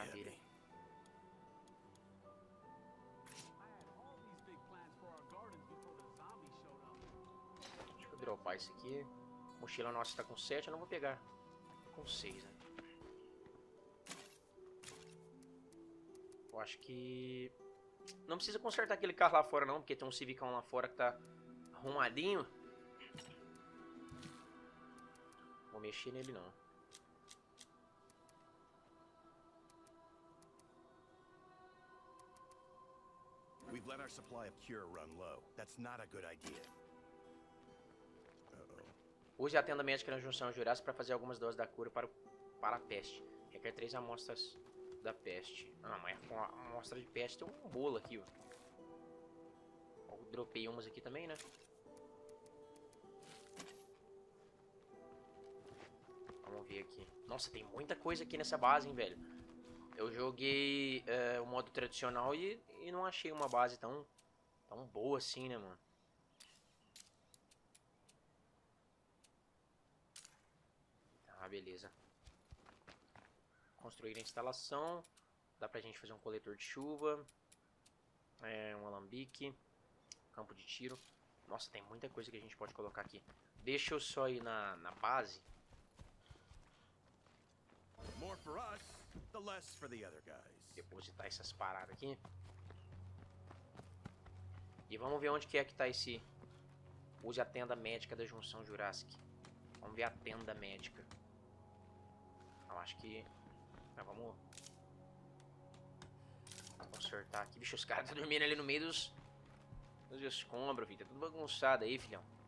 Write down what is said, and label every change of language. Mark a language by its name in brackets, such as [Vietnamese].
[English] I had all these big plans for our gardens before the zombies showed up. [Portuguese] Deixa eu dropar isso aqui. Mochila nossa tá com 7, eu não vou pegar. Com 6, né? Eu acho que não precisa consertar aquele carro lá fora não, porque tem um Civicão lá fora que tá arrumadinho. Vou mexer nele não. [English] We've let our supply of cure run low. That's not a good idea. [Portuguese] Use a tenda médica na Junção Jurassic para fazer algumas doses da cura para a peste. Requer 3 amostras da peste. Ah, mas com a amostra de peste tem um bolo aqui, ó. Eu dropei umas aqui também, né? Vamos ver aqui. Nossa, tem muita coisa aqui nessa base, hein, velho. Eu joguei o modo tradicional e não achei uma base tão boa assim, né, mano. Tá, beleza. Construir a instalação. Dá pra gente fazer um coletor de chuva. É, um alambique. Campo de tiro. Nossa, tem muita coisa que a gente pode colocar aqui. Deixa eu só ir na base. [English] More for us, the less for the other guys. [Portuguese] Depositar essas paradas aqui. E vamos ver onde que é que tá esse. Use a tenda médica da Junção Jurassic. Vamos ver a tenda médica. Eu acho que. Mas vamos consertar aqui. Bicho, os caras estão dormindo ali no meio dos escombros, filho. Tá tudo bagunçado aí, filhão.